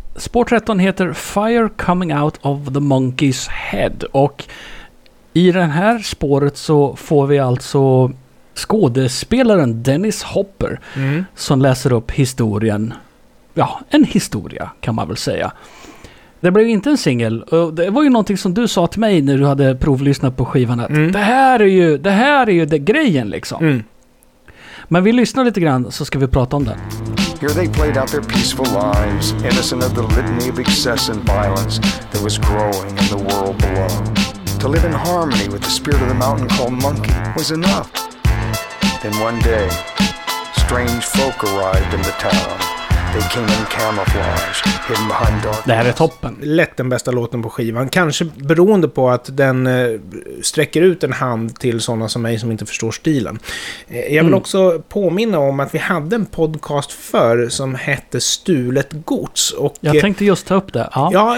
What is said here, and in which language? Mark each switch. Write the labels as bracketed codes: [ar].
[sv] Spår 13 heter Fire Coming Out of the Monkey's Head och i det här spåret så får vi alltså skådespelaren Dennis Hopper som läser upp historien. Ja, en historia kan man väl säga. Det blev inte en singel. Det var ju någonting som du sa till mig när du hade provlyssnat på skivan att det här är ju det grejen liksom. Mm. Men vi lyssnar lite grann så ska vi prata om det. [en] Here they played out their peaceful lives, innocent of the litany of excess and violence that was growing in the world below. To live in harmony with the spirit of the mountain called Monkey was enough. Then one day, strange folk arrived in the town. They came in camouflage, hidden behind darkness. [sv] Det här är toppen. Lätt den bästa låten på skivan. Kanske beroende på att den sträcker ut en hand till sådana som mig som inte förstår stilen. Jag vill också påminna om att vi hade en podcast förr som hette Stulet gods. Och jag tänkte just ta upp det. Ja.